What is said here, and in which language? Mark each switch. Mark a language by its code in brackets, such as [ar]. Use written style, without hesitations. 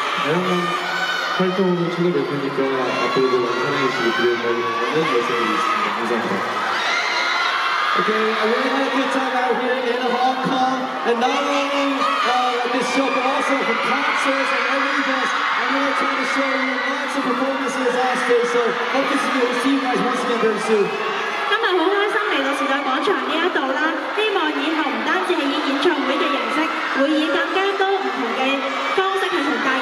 [ko] 다양한 활동을 추가될 테니까 앞으로도 많은 사랑해 주시길 바라는 말씀이 있습니다. 감사합니다. [en] Okay, I really had a good time out here in Hong Kong, and not only this show, but also the concerts and everything else. I'm going to try to show you lots of performances last day, so hope to see you guys once again very soon. [zh] 今天很开心来到时代广场这里，希望以后不单止是以演唱会的形式，会以更加多不同的